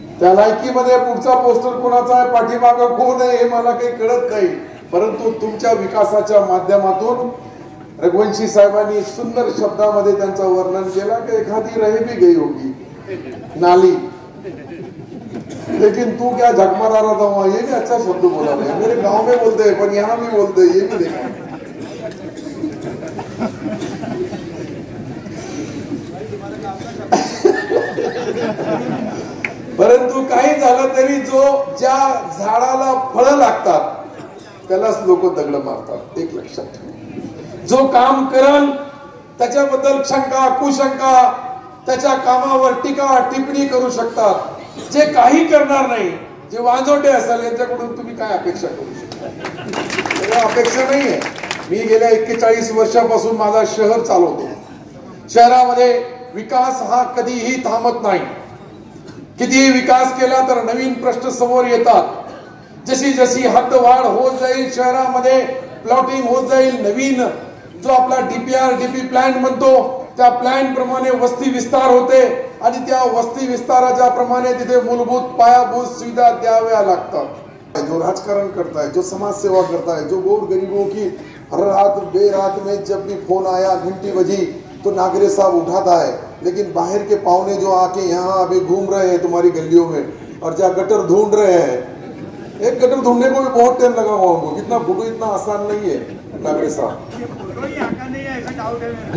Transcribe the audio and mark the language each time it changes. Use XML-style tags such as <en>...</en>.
<mr>त्या लायकीमध्ये पुढचा पोस्टर कोणाचा आहे, पाठीमाग कोण आहे, हे मला काही कळत नाही। परंतु तुमच्या विकासाच्या माध्यमातून रघुवंशी साहेबांनी सुंदर शब्दामध्ये त्यांचं वर्णन केलं की एखादी रहिबी गई होगी नाली,</mr> <hi>लेकिन तू क्या झकमरा रहा था, ये भी अच्छा शब्द बोला है। मेरे गांव में बोलते है पर यहां भी बोलते है, ये भी देखा।</hi> <mr>परंतु काही झालं तरी जो ज्या झाडाला फळ लागतात त्यालाच लोक दगड मारतात, एक लक्षात ठेवा। जो काम करल त्याच्याबद्दल शंका, कुशंका, त्याच्या कामावर टीका, टिप्पणी करू शकतात। जे काही करणार नाही, जे वाजोटे असेल, यांच्याकडून तुम्ही काय अपेक्षा करू शकता? अपेक्षा नाहीये। मी गेल्या 41 वर्षापासून माझा शहर चालवतो, शहरामध्ये विकास हा कधीही थांबत नाही। कितीही विकास केला तर नवीन प्रश्न समोर येतात। जशी जशी हद्द वाढ होत जाईल, शहरामध्ये प्लॉटिंग होत जाईल, नवीन जो आपला डीपीआर डीपी प्लॅन म्हणतो त्या प्लॅन प्रमाणे वस्ती विस्तार होते आणि त्या वस्ती विस्ताराच्या प्रमाणे तिथे मूलभूत पायाभूत सुविधा द्याव्या लागतात।</mr> <hi>जो राजकारण करता है, जो समाज सेवा करता है, जो गोर गरीबों की हर रात बेरात में जब भी फोन आया, घंटी बजी तो नागरे साहब उठाता है, लेकिन बाहर के पावने जो आके यहाँ अभी घूम रहे हैं तुम्हारी गलियों में और जहाँ गटर ढूंढ रहे हैं, एक गटर ढूंढने को भी बहुत टाइम लगा हुआ हमको, कितना भूखो, इतना आसान नहीं है नागरे साहब।</hi>